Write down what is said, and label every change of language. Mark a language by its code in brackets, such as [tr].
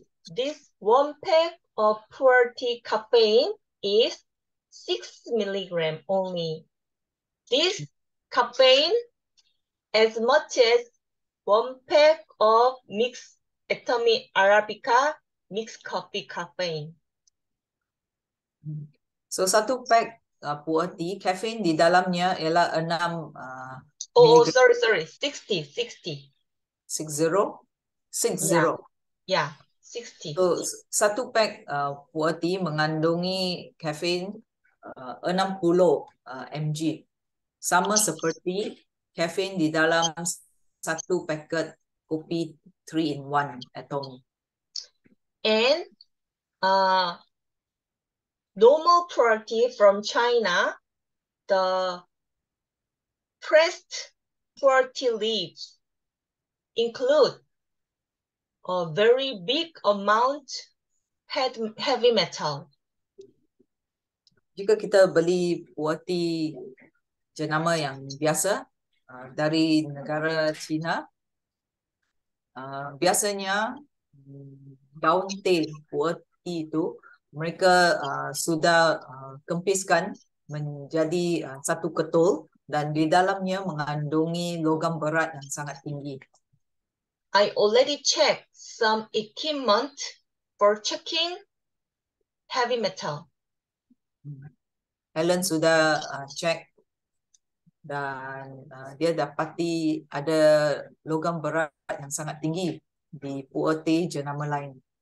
[en] This one pack of puer tea caffeine is 6 milligram only. This caffeine as much as one pack of mixed atomi arabica mixed coffee caffeine. [ms] So satu pack puer tea caffeine di dalamnya ialah 6 Oh, [en] milligram. sorry, 60, 60. 60. 60. Yeah, 60. [ms] So, satu pack puer tea mengandungi kafein 60 mg. Sama seperti kafein di dalam satu paket kopi 3-in-1 atom. [en] And normal puer tea from China, the pressed puer tea leaves include a very big amount heavy metal. [ms] Jika kita beli puer tea jenama yang biasa dari negara China, biasanya daun teh puer tea itu mereka sudah kempiskan menjadi satu ketul dan di dalamnya mengandungi logam berat yang sangat tinggi. [en] I already checked some equipment for checking heavy metal. [ms] Helen sudah cek dan dia dapati ada logam berat yang sangat tinggi di puer tea jenama lain.